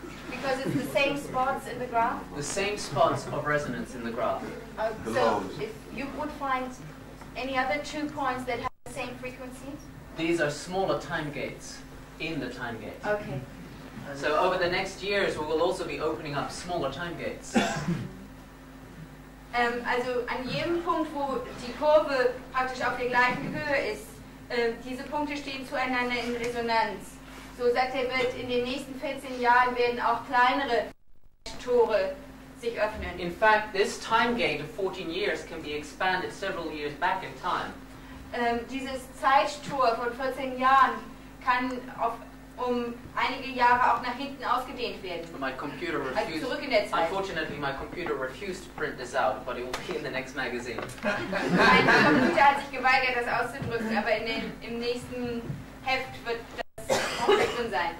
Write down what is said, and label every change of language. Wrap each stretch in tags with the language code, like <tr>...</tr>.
<en>Because it's the same spots in the graph? The same spots of resonance in the graph. So if you would find any other two points that have the same frequency? These are smaller time gates in the time gate. Okay. So over the next years we will also be opening up smaller time gates.</en> <de>Also an jedem Punkt, wo die Kurve praktisch auf der gleichen Höhe ist, diese Punkte stehen zueinander in Resonanz. So sagt er, wird in den nächsten 14 Jahren werden auch kleinere Tore sich öffnen.</de> <en>In fact, this time gate of 14 years can be expanded several years back in time.</en> <de>Dieses Zeittor von 14 Jahren kann auf einige Jahre auch nach hinten ausgedehnt werden.</de> <en>My computer refused,</en> <de>also zurück in der Zeit.</de> <en>Unfortunately, my computer refused to print this out, but it will be in the next magazine.</en> <de>Mein Computer hat sich geweigert, das auszudrücken, aber im nächsten Heft wird das auch drin sein.</de>